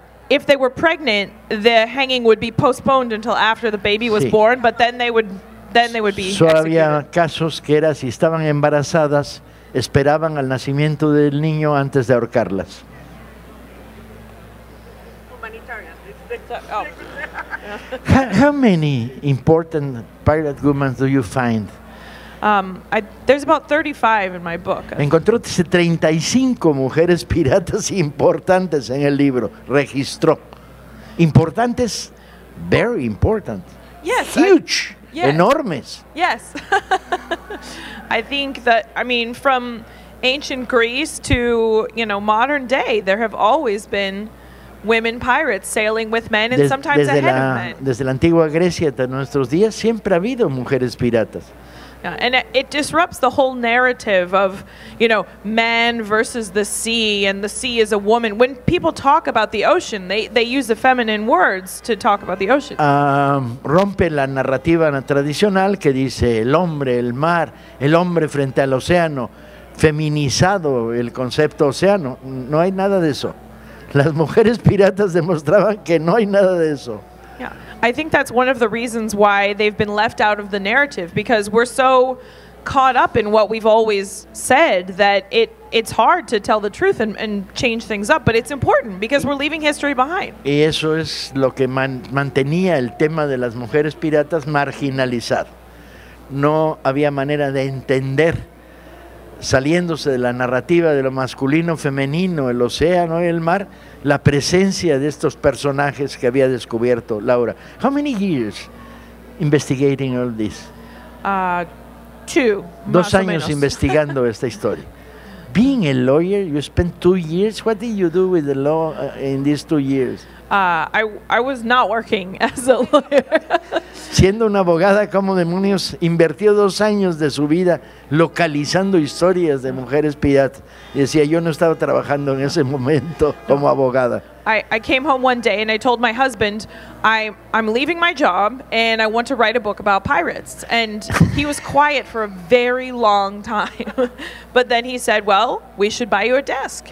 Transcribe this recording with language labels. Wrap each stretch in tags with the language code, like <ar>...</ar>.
<en>If they were pregnant, the hanging would be postponed until after the baby was born, but then they would be executed.</en> <es>Había casos que era si estaban embarazadas, esperaban al nacimiento del niño antes de ahorcarlas.</es> <en>How many important pirate women do you find? There's about 35 in my book.</en> <es>Encontró 35 mujeres piratas importantes en el libro. Registró. Importantes,</es> <en>very important. Yes. Huge.</en> <es>Enormes.</es> <en>Yes. I think that, I mean, from ancient Greece to, you know, modern day, there have always been women pirates sailing with men and sometimes ahead of men.</en> <es>Desde la antigua Grecia hasta nuestros días siempre ha habido mujeres piratas.</es> <en>Yeah, and it disrupts the whole narrative of, you know, man versus the sea, and the sea is a woman. When people talk about the ocean, they use the feminine words to talk about the ocean.</en> <es>Rompe la narrativa tradicional que dice el hombre, el mar, el hombre frente al océano, feminizado el concepto océano. No hay nada de eso. Las mujeres piratas demostraban que no hay nada de eso.</es> <en>Yeah. I think that's one of the reasons why they've been left out of the narrative, because we're so caught up in what we've always said that it's hard to tell the truth and change things up, but it's important because we're leaving history behind.</en> <es>Y eso es lo que mantenía el tema de las mujeres piratas marginalizado. No había manera de entender, saliéndose de la narrativa de lo masculino, femenino, el océano y el mar, la presencia de estos personajes que había descubierto Laura.</es> <en>How many years investigating all this? Two.</en> <es>Dos años investigando esta historia.</es> <en>Being a lawyer, you spent 2 years. What did you do with the law in these 2 years? I was not working as a lawyer.</en> <es>Siendo una abogada, ¿cómo demonios invirtió 2 años de su vida localizando historias de mujeres piratas? Decía, yo no estaba trabajando en ese momento como abogada.</es> <en>I came home one day and I told my husband, I'm leaving my job and I want to write a book about pirates. And he was quiet for a very long time. But then he said, well, we should buy you a desk.</en>